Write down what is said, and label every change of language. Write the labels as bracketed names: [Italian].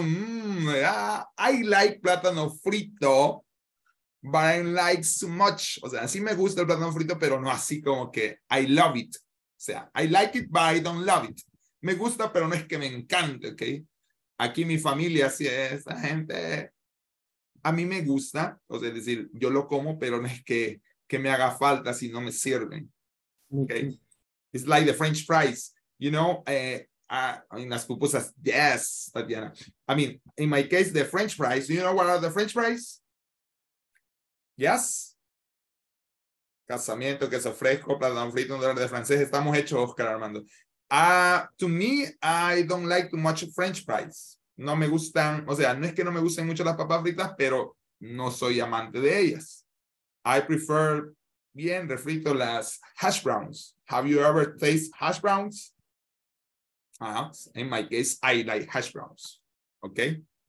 [English] I like plátano frito, but I like so much. [Spanish] O sea, sí me gusta el plátano frito, pero no así como que [English] I love it. [Spanish] O sea, [English] I like it, but I don't love it. [Spanish] Me gusta, pero no es que me encante, ¿ok? Aquí mi familia, así es, la gente. A mí me gusta, o sea, es decir, yo lo como, pero no es que me haga falta si no me sirven. [English] Okay? Mm-hmm. It's like the French fries, you know? [Spanish] Las pupusas, [English] yes, Tatiana. I mean, in my case, the French fries, you know what are the French fries? Yes? [Spanish] Casamiento, queso fresco, plátano frito, un dólar de francés. Estamos hechos, Oscar Armando. [English] To me, I don't like too much French fries. [Spanish] No me gustan, o sea, no es que no me gusten mucho las papas fritas, pero no soy amante de ellas. [English] I prefer [Spanish] bien refrito las [English] hash browns. Have you ever tasted hash browns? In my case, I like hash browns. Okay?